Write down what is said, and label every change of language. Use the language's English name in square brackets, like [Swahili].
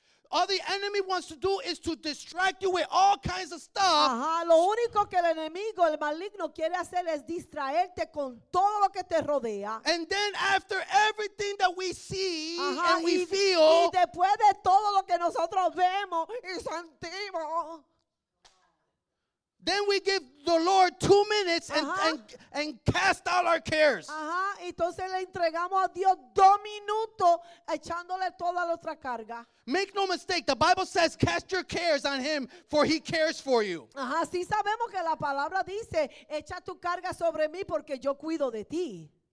[English] All the enemy wants to do is to distract you with all kinds of stuff. [Spanish] Ajá, lo único que el enemigo, el maligno, quiere hacer es distraerte con todo lo que te rodea. [English] And then after everything that we see and we feel. [Spanish] Y después de todo lo que nosotros vemos y sentimos. [English] Then we give the Lord 2 minutes and cast out our cares. [Spanish] Ajá, entonces le entregamos a Dios 2 minutos echándole toda nuestra carga. [English] Make no mistake, the Bible says cast your cares on him for he cares for you. [Spanish] Ajá, sí sabemos que la palabra dice echa tu carga sobre mí porque yo cuido de ti.